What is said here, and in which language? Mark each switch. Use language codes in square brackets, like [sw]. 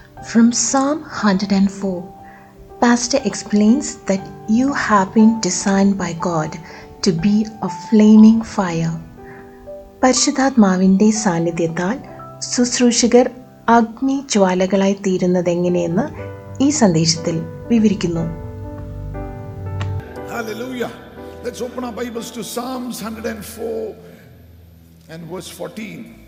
[en] From Psalm 104, Pastor explains that you have been designed by God to be a flaming fire. [ml] പരിശുദ്ധാത്മാവിൻ്റെ സാന്നിധ്യത്താൽ ശുശ്രൂഷകർ അഗ്നി ജ്വാലകളായി തീരുന്നതെങ്ങനെയെന്ന് ഈ സന്ദേശത്തിൽ വിവരിക്കുന്നു. [en] Hallelujah. Let's open our Bibles to Psalms 104 and verse 14.